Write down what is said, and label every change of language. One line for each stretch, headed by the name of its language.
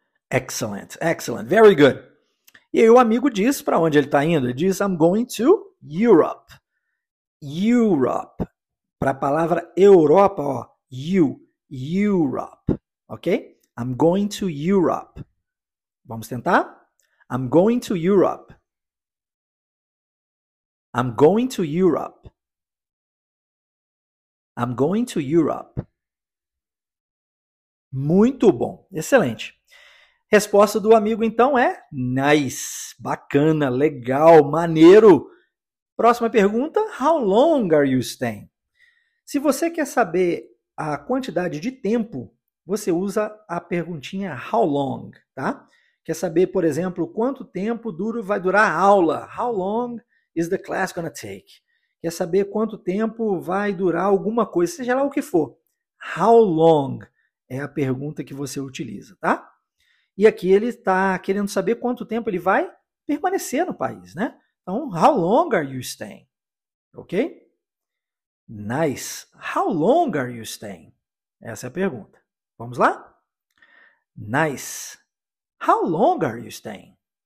English: Excellent, excellent, very good.
Portuguese: E aí o amigo diz para onde ele está indo? Ele diz,
English: I'm going to Europe.
Portuguese: Europe. Para a palavra Europa, ó, you, Europe. Ok?
English: I'm going to Europe.
Portuguese: Vamos tentar?
English: I'm going to Europe. I'm going to Europe. I'm going to Europe.
Portuguese: Muito bom, excelente. Resposta do amigo, então, é nice, bacana, legal, maneiro. Próxima pergunta,
English: how long are you staying?
Portuguese: Se você quer saber a quantidade de tempo, você usa a perguntinha how long, tá? Quer saber, por exemplo, quanto tempo duro vai durar a aula?
English: How long is the class gonna take?
Portuguese: Quer saber quanto tempo vai durar alguma coisa, seja lá o que for. How long é a pergunta que você utiliza, tá? E aqui ele está querendo saber quanto tempo ele vai permanecer no país, né? Então,
English: how long are you staying? Ok? Nice. How long are you staying?
Portuguese: Essa é a pergunta. Vamos lá? Nice.
English: How long are you staying?